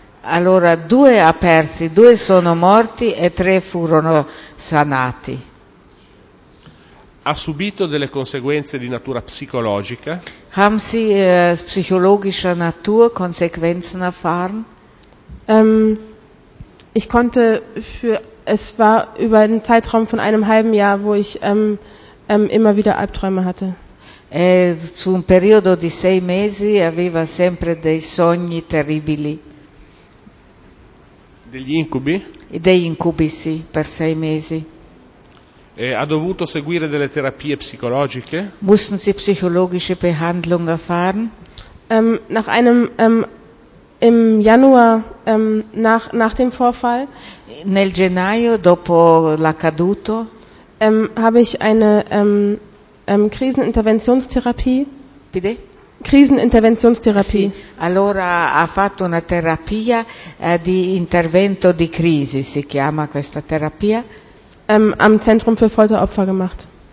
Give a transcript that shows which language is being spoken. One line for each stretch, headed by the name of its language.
Italian: Allora, 2 ha persi, 2 sono morti e 3 furono sanati. Ha subito delle conseguenze di natura psicologica?
German: Haben Sie psychologischer Natur Konsequenzen erfahren? Ich konnte für es war über einen Zeitraum von 1,5 Jahr, wo ich immer wieder Albträume hatte.
Italian: Zu un periodo di 6 mesi aveva sempre dei sogni terribili. Degli incubi? E dei incubi sì, per 6 mesi. Ha dovuto seguire delle terapie psicologiche?
German: Mussten Sie psychologische Behandlung erfahren? Nach einem im Januar nach dem Vorfall
Italian: nel gennaio dopo l'accaduto
German: habe ich eine Kriseninterventionstherapie. Bitte? Kriseninterventionstherapie.
Italian: Sì. Allora ha fatto una terapia di intervento di crisi, si chiama questa terapia.
German: Am Zentrum für Folteropfer gemacht.